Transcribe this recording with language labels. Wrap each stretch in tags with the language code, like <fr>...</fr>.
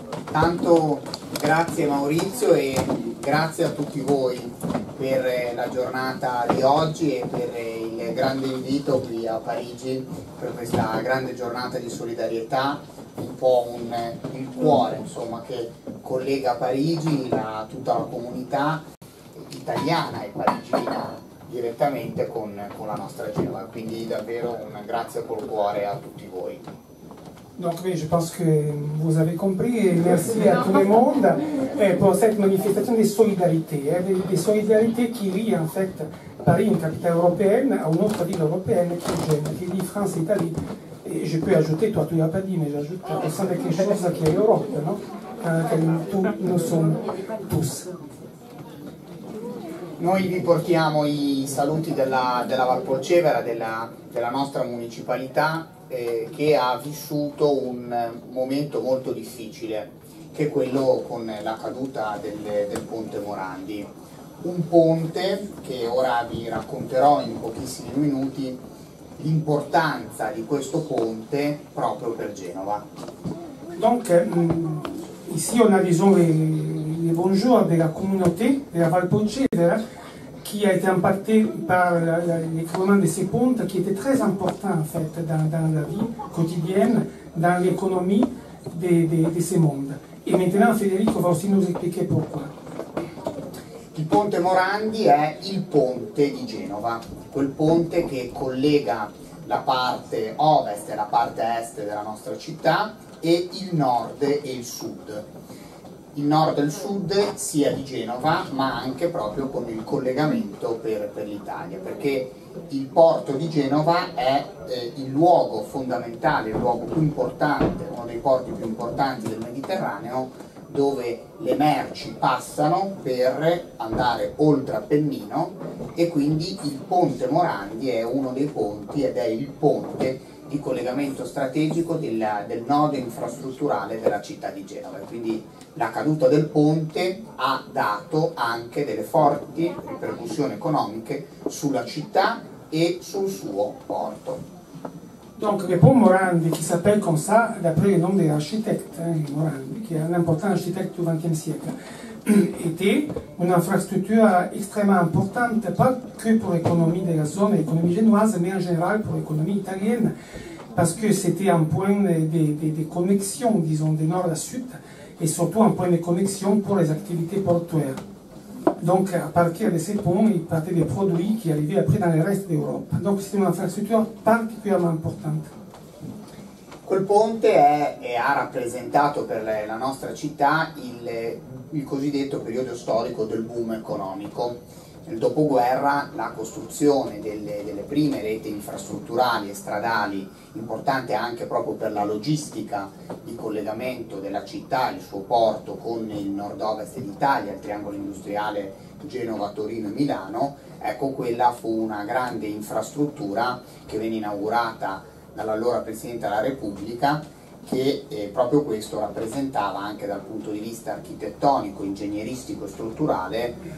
<it>Tanto grazie Maurizio e grazie a tutti voi per la giornata di oggi e per il grande invito qui a Parigi per questa grande giornata di solidarietà, un po' il cuore insomma che collega Parigi, tutta la comunità italiana e parigina direttamente con la nostra Genova, quindi davvero un grazie col cuore a tutti voi.</it> <fr>Donc oui, je pense que vous avez compris, et merci à tout le monde pour cette manifestation de solidarité, des solidarités qui lient en fait Paris, une capitale européenne, à une autre ville européenne qui est Gênes, qui lie France et Italie. Et je peux ajouter, toi tu ne l'as pas dit, mais j'ajoute, on sent quelque chose qui est l'Europe, non? Tout, nous sommes tous.</fr> <it>Noi vi portiamo i saluti della Valpolcevera, della nostra municipalità, che ha vissuto un momento molto difficile che quello con la caduta del ponte Morandi. Un ponte che ora vi racconterò in pochissimi minuti l'importanza di questo ponte proprio per Genova.</it> <fr>Donc, ici on a disons les bonjours de la communauté de la Valpolcevera qui a été impacté par l'écroulement de ces ponts qui était très important en fait dans la vie quotidienne, dans l'économie de ces mondes. Et maintenant Federico va aussi nous expliquer pourquoi.</fr> <it>Il ponte Morandi è il ponte di Genova, quel ponte che collega la parte ovest e la parte est della nostra città e il nord e il sud. Il nord e il sud sia di Genova, ma anche proprio con il collegamento per l'Italia, perché il porto di Genova è il luogo fondamentale, il luogo più importante, uno dei porti più importanti del Mediterraneo, dove le merci passano per andare oltre Appennino, e quindi il ponte Morandi è uno dei ponti ed è il ponte di collegamento strategico del nodo infrastrutturale della città di Genova. Quindi la caduta del ponte ha dato anche delle forti ripercussioni economiche sulla città e sul suo porto.</it> <fr>Donc le pont Morandi, qui s'appelle comme ça, d'après le nom de l'architecte, hein, Morandi, qui est un important architecte du XXe siècle, était une infrastructure extrêmement importante, pas que pour l'économie de la zone, l'économie génoise, mais en général pour l'économie italienne, parce que c'était un point de connexion, disons, de nord à sud, et surtout un point de connexion pour les activités portuaires. Donc à partir de ces ponts, il partait des produits qui arrivaient après dans le reste d'Europe. Donc c'est une infrastructure particulièrement importante.</fr> <it>Quel ponte ha rappresentato per la nostra città il cosiddetto periodo storico del boom economico. Nel dopoguerra la costruzione delle prime reti infrastrutturali e stradali, importante anche proprio per la logistica di collegamento della città, il suo porto con il nord-ovest d'Italia, il triangolo industriale Genova, Torino e Milano, ecco, quella fu una grande infrastruttura che venne inaugurata dall'allora Presidente della Repubblica, che proprio questo rappresentava anche dal punto di vista architettonico, ingegneristico e strutturale</it>